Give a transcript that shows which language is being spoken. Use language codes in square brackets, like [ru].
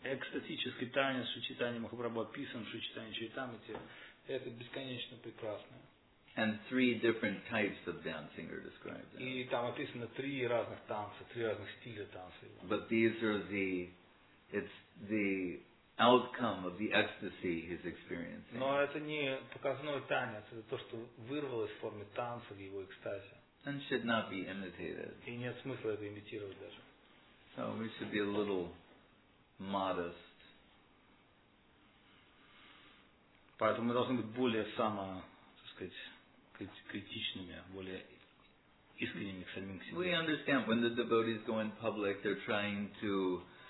[ru] Экстатический танец в читании Махапрабху описан в читании Чайтамрите. Это бесконечно прекрасно. [en] And three different types of dancing are described. [ru] И там описано три разных танца, три разных стиля танца. [en] But these are the, it's the outcome of the ecstasy he's experiencing. [ru] Но это не показной танец, это то, что вырвалось в форме танца в его экстазе. [en] And should not be imitated. [ru] И нет смысла это имитировать даже. [en] So we should be a little modest. [ru] Поэтому мы должны быть более само, так сказать, критичными, более искренними к самим себе. [en] We understand when the devotees go in public, they're trying to